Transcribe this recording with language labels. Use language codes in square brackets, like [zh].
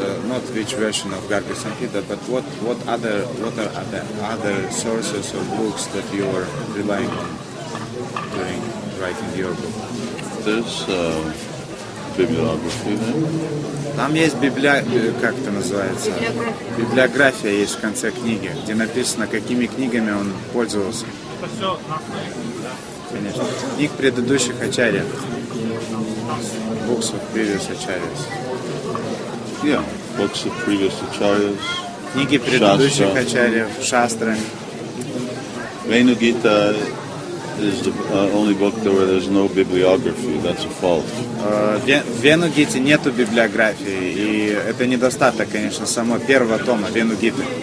[en] Not which version of Garga Samhita, but what are the other sources of books that you are relying on during writing your book? There's bibliography. [ru] Там есть как это называется? Библиография есть в конце книги, где написано, какими книгами он пользовался. Конечно. Книг предыдущих ачарья. [en] Books of previous acharyas. Yeah, books of previous acharyas. [ru] Книги предыдущих ачарьев, шастры. [en] Vaina Gita is the only book where there's no bibliography. That's a fault. [ru] В Венугите нету библиографии, и это недостаток, конечно, самого первого тома Венугиты.